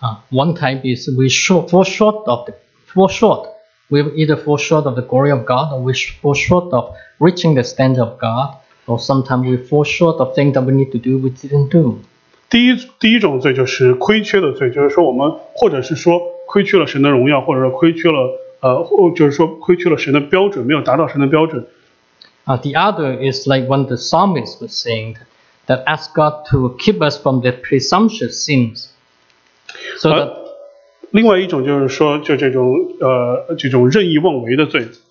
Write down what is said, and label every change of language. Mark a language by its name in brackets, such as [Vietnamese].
[English] One type is we either fall short of the glory of God, or we fall short of reaching the standard of God, or sometimes we fall short of things that we need to do we didn't do. [Chinese] 第一种罪就是亏缺的罪，就是说我们或者是说亏缺了神的荣耀，或者说亏缺了就是说亏缺了神的标准，没有达到神的标准。 [English] The other is like when the psalmist was saying that ask God to keep us from the presumptuous sins. So that, [Chinese] 另外一种就是说就这种任意妄为的罪。